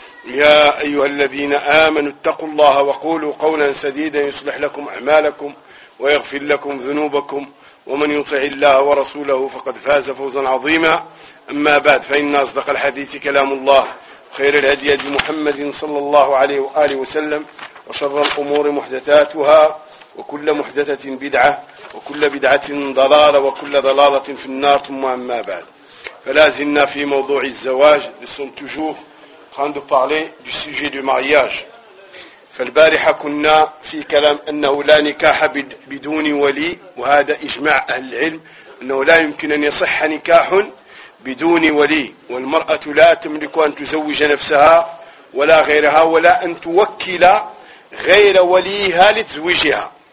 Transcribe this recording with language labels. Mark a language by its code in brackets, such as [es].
[ar] يا أيها الذين آمنوا اتقوا الله وقولوا قولا سديدا يصلح لكم أعمالكم ويغفر لكم ذنوبكم، ومن يطع الله ورسوله فقد فاز فوزا عظيما. أما بعد، فإن أصدق الحديث كلام الله، خير الهدي هدي محمد صلى الله عليه وآله وسلم، وشر الأمور محدثاتها، وكل محدثة بدعة، وكل بدعة ضلالة، وكل ضلالة في النار، ثم أما بعد. فلا زلنا في موضوع الزواج، [fr] nous sommes toujours en train de parler du sujet du mariage. [ar] فالبارحة كنا في كلام أنه لا نكاح بدون ولي، وهذا إجماع أهل العلم أنه لا يمكن أن يصح نكاح بدون ولي، والمرأة لا تملك أن تزوج نفسها ولا غيرها، ولا أن توكل غير وليها لتزوجها.